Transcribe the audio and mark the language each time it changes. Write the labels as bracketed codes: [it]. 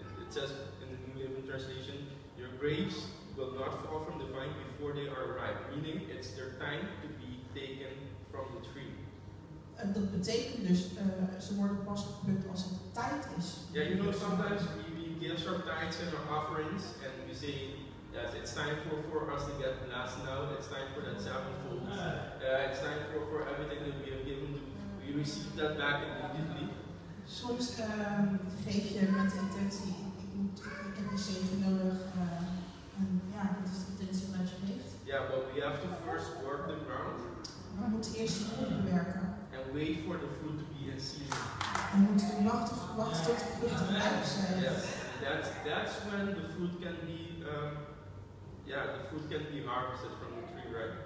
[en] It says in the New Living Translation, your grapes will not fall from the vine before they are ripe. Meaning it's their time to be taken from the tree. [nl] En dat betekent dus, ze worden pas geplukt als het tijd is. [en] Yeah, you know, sometimes we give our tithes and our offerings and we say, yes, it's time for us to get blessed now, it's time for that sevenfold. It's time for everything that we have given to, we receive that back immediately. [nl] Soms geef je met intentie, ik heb een zegen nodig, dat is de intentie dat je geeft. [en] Yeah, but we have to first work the ground. [nl] We moeten eerst de grond bewerken. [en] And wait for the fruit to be in season. [nl] We moeten wachten tot de vruchten rijp zijn. [en] Yes, that's when the fruit can be, the fruit can be harvested from the tree, right?